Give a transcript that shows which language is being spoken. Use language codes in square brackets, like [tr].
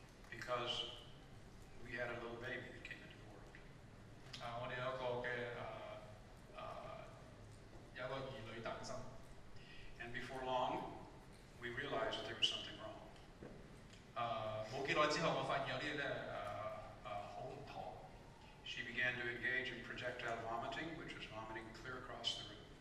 [en] Because we had a little baby that came into the world. [zh] 我們有一個兒女誕生。 [en] And before long, we realized that there was something wrong. [zh] 沒多久之後,我發現有些很不妥。 [en] She began to engage in projectile vomiting, which was vomiting clear across the room.